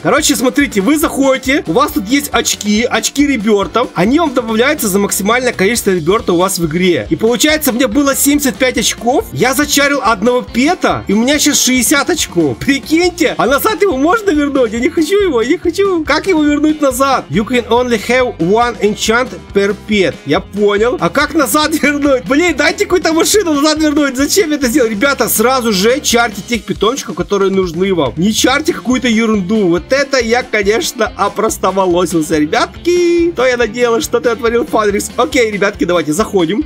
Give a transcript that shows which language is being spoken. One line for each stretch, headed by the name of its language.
Russian: Короче, смотрите, вы заходите. У вас тут есть очки. Очки ребертов. Они вам добавляются за максимальное количество ребертов у вас в игре. И получается, мне было 75 очков. Я зачарил одного пета. И у меня сейчас 60 очков. Прикиньте. А назад его можно вернуть? Я не хочу его, я не хочу. Как его вернуть назад?
English: You can only have one enchant per pet.
Russian: Я понял. А как назад вернуть? Блин, дайте какую-то машину назад вернуть. Зачем я это сделал? Ребята, сразу же чарьте тех питомчиков, которые нужны вам. Не чарьте какую-то ерунду. Вот это я, конечно, опростоволосился, ребятки. То я надеялся, что ты отворил Фанрикс. Окей, ребятки, давайте заходим.